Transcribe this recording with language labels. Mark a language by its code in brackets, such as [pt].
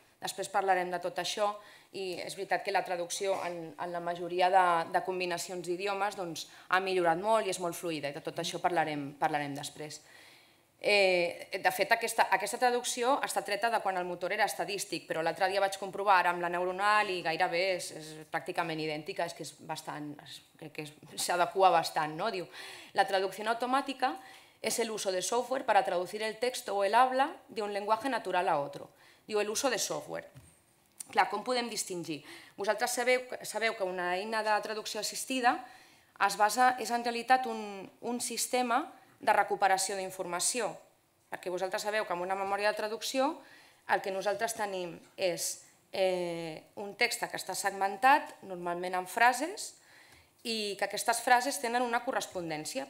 [ca] Després parlarem de tot això, i és veritat que la traducció en la majoria de combinacions d'idiomes doncs, ha millorat molt i és molt fluida, i de tot això parlarem després. De fet, aquesta traducció està treta de quan el motor era estadístic, però l'altre dia vaig comprovar amb la neuronal i gairebé és pràcticament idèntica, és que és bastant, crec que s'adequa bastant, no? [es] Diu, [ca] la traducció automàtica [es] es el uso de software para traducir el texto o el habla de un lenguaje natural a otro. [ca] Diu, [es] el uso de software. [ca] Clar, com podem distingir? Vosaltres sabeu que una eina de traducció assistida és en realitat un sistema de recuperació d'informació, perquè vosaltres sabeu que amb una memòria de traducció el que nosaltres tenim és un text que està segmentat, normalment en frases, i que aquestes frases tenen una correspondència.